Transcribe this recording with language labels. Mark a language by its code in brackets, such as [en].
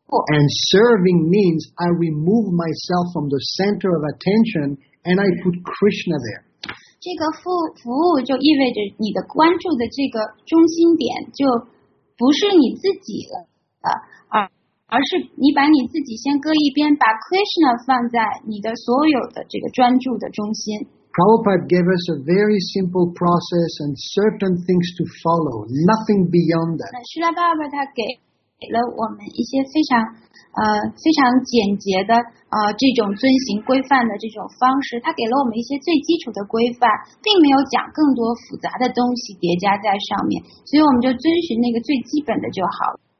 [en] And serving means I remove myself from the center of attention and I put Krishna there. [zh] 这个服务就意味着你的关注的这个中心点就不是你自己了，而是你把你自己先搁一边，把 Krishna 放在你的所有的这个专注的中心。 [en] Prabhupada gave us a very simple process and certain things to follow, nothing beyond that. [zh] 释迦牟尼他给了我们一些非常非常简洁的这种遵行规范的这种方式，他给了我们一些最基础的规范，并没有讲更多复杂的东西叠加在上面，所以我们就遵循那个最基本的就好了。